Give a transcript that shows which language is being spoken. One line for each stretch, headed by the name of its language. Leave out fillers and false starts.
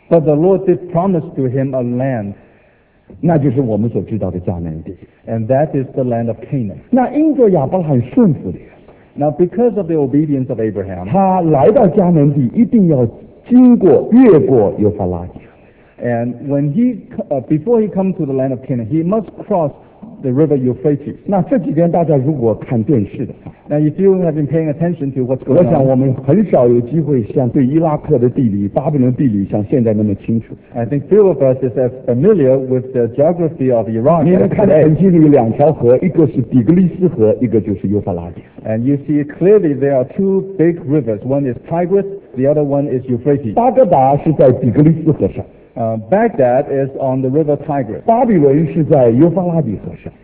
English: But the Lord did promise to him a land.
Chinese: 那就是我们所知道的迦南地。
English: And that is the land of Canaan.
Chinese: 那因着亚伯拉罕顺服的人。
English: Now because of the obedience of Abraham.
Chinese: 他来到迦南地一定要经过越过约法拉底。
English: And when he, before he comes to the land of Canaan, he must cross the river Euphrates.
Chinese: 那这几天大家如果看电视的话，
English: Now if you have been paying attention to what's going on,
Chinese: 我想我们很少有机会像对伊拉克的地理、巴比伦地理像现在那么清楚。
English: I think few of us is as familiar with the geography of Iran.
Chinese: 你能看到圣经里有两条河，一个是底格利斯河，一个就是约法拉底。
English: And you see clearly there are two big rivers. One is Tigris, the other one is Euphrates.
Chinese: 巴格达是在底格利斯河上。
English: Baghdad is on the river Tigris.
Chinese: 巴比伦是在约法拉底河上。